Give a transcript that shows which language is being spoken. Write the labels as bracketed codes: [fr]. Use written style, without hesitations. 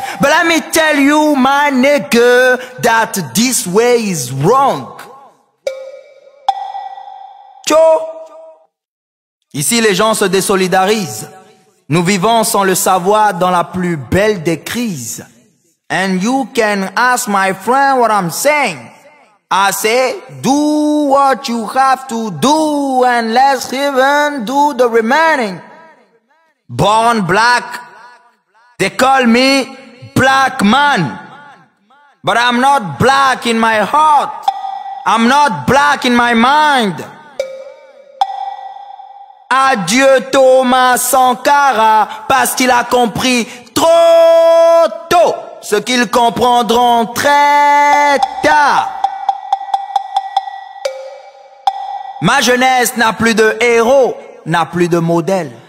[en] But let me tell you, my nigga, that this way is wrong. » Tcho! [fr] Ici, les gens se désolidarisent. Nous vivons sans le savoir dans la plus belle des crises. [en] And you can ask my friend what I'm saying. I say, do what you have to do and let's even do the remaining. Born black, they call me black man. But I'm not black in my heart. I'm not black in my mind. [fr] Adieu Thomas Sankara, parce qu'il a compris trop tôt ce qu'ils comprendront très tard. Ma jeunesse n'a plus de héros, n'a plus de modèles.